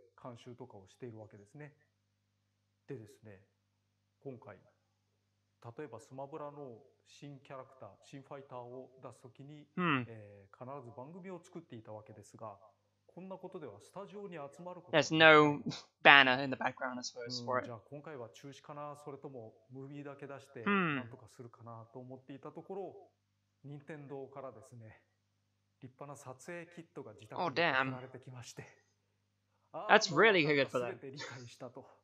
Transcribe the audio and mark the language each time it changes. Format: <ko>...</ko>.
<ja>監修とかをしているわけですね。でですね、今回、例えばスマブラの新キャラクター、新ファイターを出すときに、必ず番組を作っていたわけですが、こんなことではスタジオに集まること。</ja> <en>There's no banner in the background, I suppose, for it.</en> <ja>じゃあ今回は中止かな、それともムービーだけ出して、なんとかするかなと思っていたところ、任天堂からですね、立派な撮影キットが自宅に送られてきまして。</ja> <en>Oh, damn. That's really good for that.</en>